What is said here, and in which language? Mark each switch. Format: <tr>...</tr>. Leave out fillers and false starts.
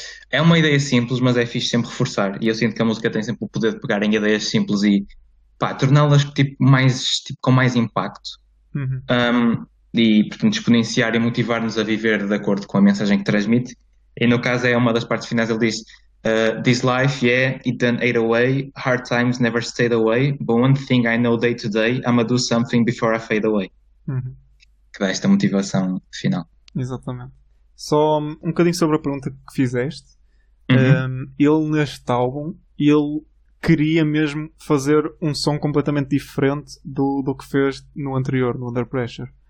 <pt>É uma ideia simples, mas é fixe sempre reforçar. E eu sinto que a música tem sempre o poder de pegar em ideias simples e pá, torná-las tipo, mais, tipo, com mais impacto. E, portanto, exponenciar e motivar-nos a viver de acordo com a mensagem que transmite. E no caso é uma das partes finais, ele diz:</pt> <en>This life, yeah, it done ate away. Hard times never stayed away. But one thing I know day to day, I'ma do something before I fade away.</en> <pt>Que dá esta motivação final. Exatamente. Só um bocadinho sobre a pergunta que fizeste. Ele neste álbum, ele queria mesmo fazer um som completamente diferente do que fez no anterior, no Under Pressure.</pt>